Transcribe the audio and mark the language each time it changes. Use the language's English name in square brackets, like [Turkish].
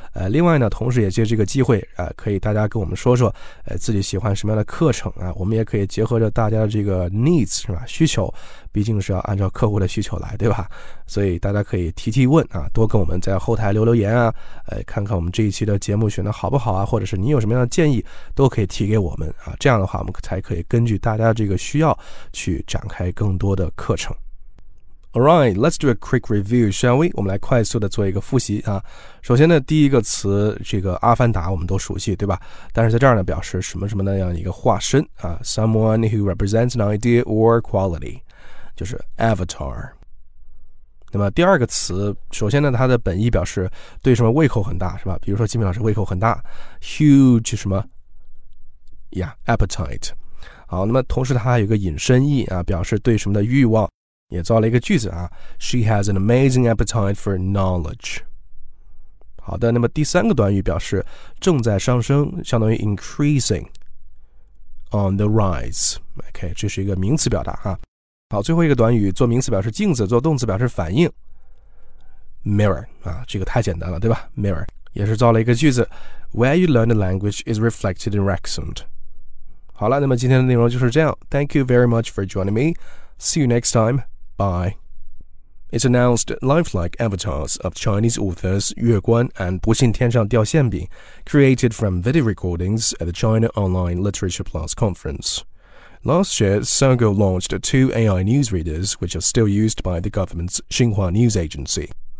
[Chinese] 另外呢，同时也借这个机会啊，可以大家跟我们说说自己喜欢什么样的课程啊，我们也可以结合着大家的这个 needs 是吧，需求，毕竟是要按照客户的需求来，对吧？所以大家可以提提问啊，多跟我们在后台留留言啊，看看我们这一期的节目选的好不好啊，或者是你有什么样的建议都可以提给我们啊，这样的话我们才可以根据大家这个需要去展开更多的课程。 [English] Alright, let's do a quick review, shall we? [Chinese] 我们来快速的做一个复习啊。首先呢，第一个词这个阿凡达我们都熟悉，对吧？但是在这儿呢，表示什么什么那样一个化身啊 ， [English] someone who represents an idea or quality， [Chinese] 就是 avatar。那么第二个词，首先呢，它的本意表示对什么胃口很大，是吧？比如说金敏老师胃口很大 ，huge 什么 ，yeah appetite。好，那么同时它还有一个引申意啊，表示对什么的欲望。也造了一个句子啊 [English] She has an amazing appetite for knowledge [Chinese] 好的那么第三个短语表示正在上升相当于 increasing [English] On the rise [Chinese] OK 这是一个名词表达啊好最后一个短语做名词表示镜子做动词表示反应 [English] Mirror 啊 [Chinese] 这个太简单了对吧 [English] Mirror [Chinese] 也是造了一个句子 [English] Where you learn the language is reflected in your accent [Chinese] 好了那么今天的内容就是这样 [English] Thank you very much for joining me See you next timeBye. It's announced lifelike avatars of Chinese authors 月关 and 不信天上掉馅饼 created from video recordings at the China Online Literature Plus conference. Last year, Sogou launched two AI newsreaders which are still used by the government's Xinhua News Agency.